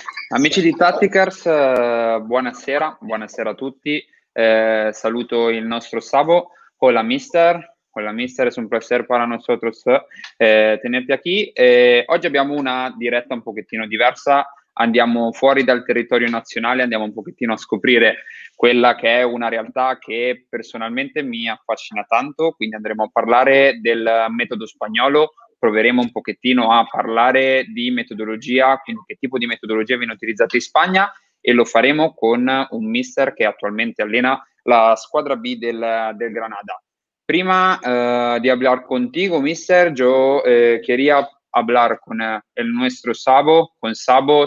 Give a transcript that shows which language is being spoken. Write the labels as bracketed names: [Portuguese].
[Italian] Amici di Tacticars, buonasera a tutti. Saluto il nostro Savo. [Spanish] Hola, mister. Hola, mister. Es un placer para nosotros [Italian] tenerti [Spanish] aquí. [Italian] Oggi abbiamo una diretta un pochettino diversa. Andiamo fuori dal territorio nazionale, andiamo un pochettino a scoprire quella che è una realtà che personalmente mi affascina tanto. Quindi andremo a parlare del metodo spagnolo. Proveremo un pochettino a parlare di metodologia, quindi che tipo di metodologia viene utilizzata in Spagna, e lo faremo con un mister che attualmente allena la squadra B del Granada. Prima di [Spanish] hablar contigo, mister, yo quería hablar con el nuestro Sabo, con Sabo.